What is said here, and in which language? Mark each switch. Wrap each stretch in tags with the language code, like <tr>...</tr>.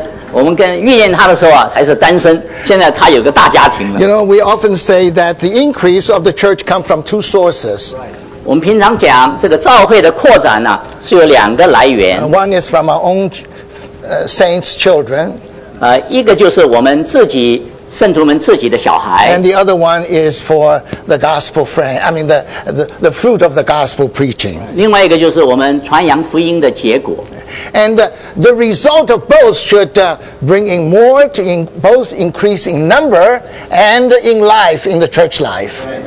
<zh>我们跟预言他的时候啊，还是单身，现在他有个大家庭了。</zh> <en>You know, we often say that the increase of the church comes from two sources.</en> <zh>我们平常讲这个教会的扩展呢，是有两个来源。</zh> <en>One is from our own saints' children.</en> <zh>一个就是我们自己圣徒们自己的小孩。</zh> <en>And the other one is for the gospel friend. I mean the fruit of the gospel preaching.</en> <zh>另外一个就是我们传扬福音的结果。</zh> <en>And the result of both should bring in more to in both increase in number and in life in the church life.</en>